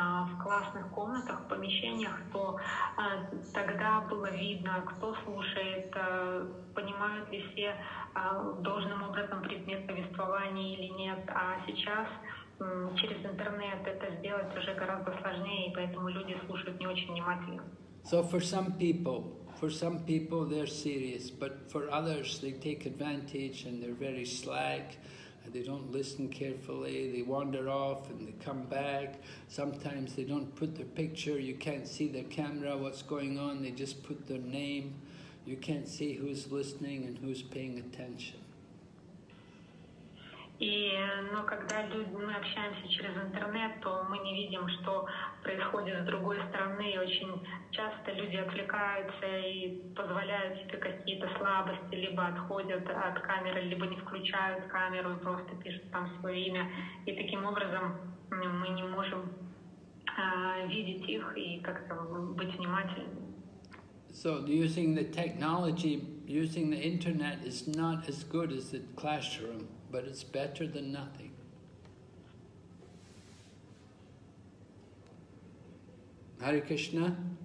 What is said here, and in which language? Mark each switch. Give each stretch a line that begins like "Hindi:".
Russian: В классных комнатах, в помещениях, то тогда было видно, кто слушает, понимают ли все должным образом предмет повествования или нет. А сейчас через интернет это сделать уже гораздо сложнее, и поэтому люди слушают не очень внимательно.
English: So for some people they're serious, but for others they take advantage and they're very slack. They don't listen carefully, they wander off and they come back. Sometimes they don't put their picture, you can't see their camera, what's going on, they just put their name. You can't see who's listening and who's paying attention.
Russian: И, но когда люди, мы общаемся через интернет, то мы не видим, что происходит с другой стороны. И очень часто люди отвлекаются и позволяют себе какие-то слабости, либо отходят от камеры, либо не включают камеру и просто пишут там свое имя. И таким образом мы не можем видеть их и как-то быть внимательными.
English: So using the technology, using the internet is not as good as the classroom. But it's better than nothing. Hare Krishna.